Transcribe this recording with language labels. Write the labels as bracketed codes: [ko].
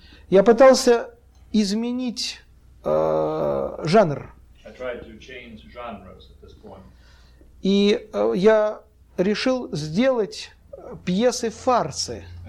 [ru] Я пытался изменить жанр. [en] I tried to change genres at this point. [ru] И я решил сделать пьесы-фарсы.